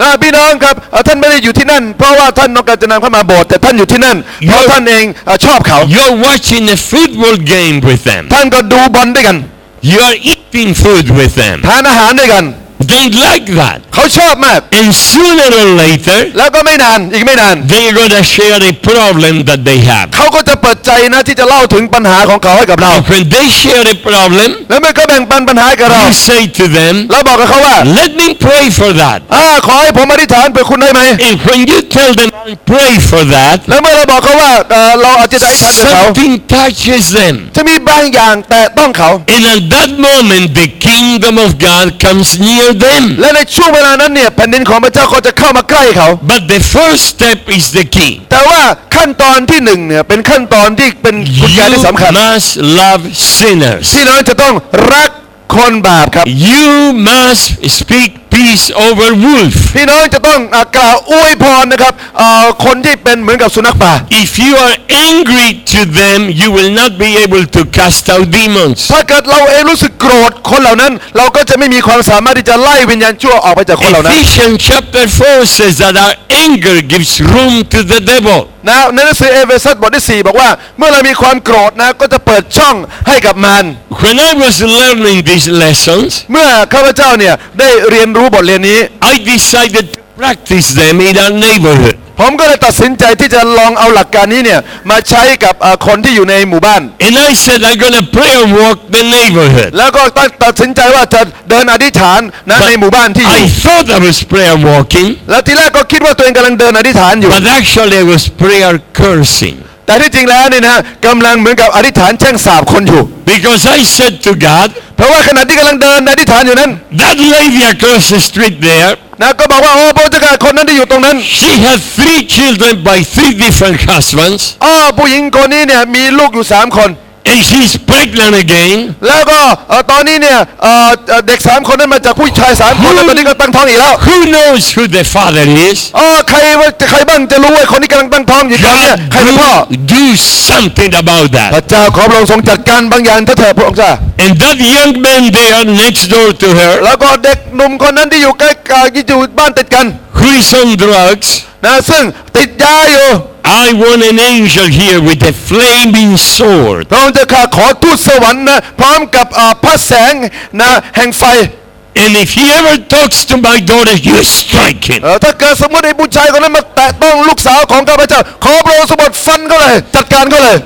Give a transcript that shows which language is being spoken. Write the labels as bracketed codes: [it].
[th] พี่น้องครับท่านไม่ได้อยู่ที่นั่นเพราะว่าท่านต้องการจะนำเข้ามาโบสถ์แต่ท่านอยู่ที่นั่นเพราะท่านเองชอบเขา [en] You're watching a football game with them [th] ท่านก็ดูบอลด้วยกัน [en] You are eating food with them. [th] ทานอาหารด้วยกัน [en] They like that. [th] เขาชอบมาก [en] And sooner or later, [th] แล้วก็ไม่นานอีกไม่นาน [en] they are going to share the problem that they have. [th] เขาก็จะเปิดใจนะที่จะเล่าถึงปัญหาของเขาให้กับเรา [en] When they share the problem, [th] แล้วมันก็แบ่งปันปัญหากับเรา [en] You say to them, [th] แล้วบอกกับเขาว่า [en] Let me pray for that. [th] ขอให้ผมอธิษฐานเพื่อคุณได้ไหม [en] And when you tell them, pray for that, [th] แล้วเมื่อเราบอกเขาว่าเราอธิษฐานเพื่อเขา [en] Something touches them. [th] จะมีบางอย่างแตะต้องเขา [en] And at that moment, the kingdom of God comes near. [th] และในช่วงเวลานั้นเนี่ยแผ่นดินของพระเจ้าก็จะเข้ามาใกล้เขา [en] But the first step is the key [th] แต่ว่าขั้นตอนที่หนึ่งเนี่ยเป็นขั้นตอนที่เป็นกุญแจที่สำคัญ [en] You must love sinners [th] ที่เราจะต้องรักคนบาปครับ [en] You must speak peace over wolf [th] พี่น้องจะต้องกล่าวอวยพรนะครับคนที่เป็นเหมือนกับสุนัขป่า [en] If you are angry to them you will not be able to cast out demons [th] ถ้าเกิดเราเองรู้สึกโกรธคนเหล่านั้นเราก็จะไม่มีความสามารถที่จะไล่วิญญาณชั่วออกไปจากคนเหล่านั้น [en] Ephesians chapter 4 says that our anger gives room to the devil [th] นะในหนังสือเอเฟซัสบทที่ 4 บอกว่าเมื่อเรามีความโกรธนะก็จะเปิดช่องให้กับมัน [en] When I was learning these lessons [th] เมื่อข้าพเจ้าเนี่ยได้เรียนรู้บทเรียนนี้ [en] I decided to practice them in our neighborhood [th] ผมก็เลยตัดสินใจที่จะลองเอาหลักการนี้เนี่ยมาใช้กับคนที่อยู่ในหมู่บ้าน [en] And I said I'm going to pray and walk the neighborhood [th] แล้วก็ตัดสินใจว่าจะเดินอธิษฐานนะในหมู่บ้านที่อยู่ [en] I thought I was prayer walking [th] แล้วทีแรกก็คิดว่าตัวเองกำลังเดินอธิษฐานอยู่ [en] But actually I was prayer cursing [th] แต่ที่จริงแล้วเนี่ยนะกำลังเหมือนกับอธิษฐานแช่งสาปคนอยู่ [en] Because I said to God [th] เพราะว่าขณะที่กำลังเดินอธิษฐานอยู่นั้น [en] That lady across the street there [th] นะก็บอกว่าโอ้พระเจ้าค่ะคนนั้นที่อยู่ตรงนั้น [en] She has three children by three different husbands [th] อ๋อผู้หญิงคนนี้เนี่ยมีลูกอยู่3คน [en] And she's pregnant again [th] แล้วก็ตอนนี้เนี่ยเด็ก3คนนั้นมาจากผู้ชาย3คนแล้วตอนนี้ก็ตั้งท้องอีกแล้ว [en] Who knows who the father is [th] อ๋อใครบ้างจะรู้ว่าคนนี้กำลังตั้งท้องอยู่ตอนนี้ใครเป็นพ่อ [en] Do something about that [th] พระเจ้าขอพระองค์ทรงจัดการบางอย่างเถอะพระองค์จ้า [en] And that young man there next door to her. [th] แล้วก็เด็กหนุ่มคนนั้นที่อยู่ใกล้ที่อยู่บ้านติดกัน [en] Who is on drugs? [th] นะซึ่งติดยาอยู่ [en] I want an angel here with a flaming sword. [th] พระองค์จะขอทูตสวรรค์นะพร้อมกับพระแสงนะแห่งไฟ [en] And if he ever talks to my daughter, you strike him. [th] ถ้าเกิดสมมติไอ้ผู้ชายคนนั้นมาแตะต้องลูกสาวของข้าพเจ้าขอพระองค์ทรงฟันเขาเลยจัดการเขาเลย